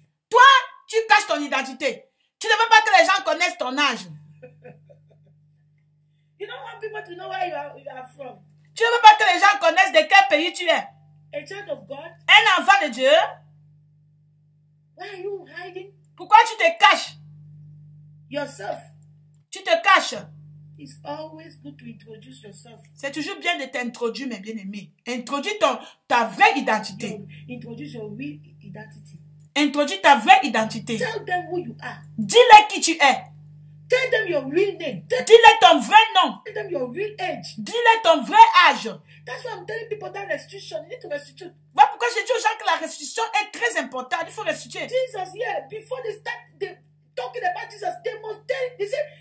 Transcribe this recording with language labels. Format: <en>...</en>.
<fr>Toi, tu caches ton identité. Tu ne veux pas que les gens connaissent ton âge.</fr> <en>You don't want people to know where you are from.</en> <fr>Tu ne veux pas que les gens connaissent de quel pays tu es.</fr> <en>A child of God.</en> <fr>Un enfant de Dieu.</fr> <en>Why are you hiding?</en> <fr>Pourquoi tu te caches?</fr> <en>Yourself.</en> <fr>Tu te caches.</fr> <en>It's always good to introduce yourself.</en> <fr>C'est toujours bien de t'introduire, mes bien-aimés. Introduis ta vraie identité.</fr> <en>Introduce your real identity.</en> <fr>Introduis ta vraie identité.</fr> <en>Tell them who you are.</en> <fr>Dis-leur qui tu es.</fr> <en>Tell them your real name.</en> <fr>Dis-leur ton vrai nom.</fr> <en>Tell them your real age.</en> <fr>Dis-leur ton vrai âge.</fr> <en>That's why I'm telling people that restitution. You need to restitute.</en> <fr>Voilà pourquoi j'ai dit aux gens que la restitution est très importante. Il faut restituer.</fr> <en>Jesus, yeah, before they start talking about Jesus, they must tell, they say,</en>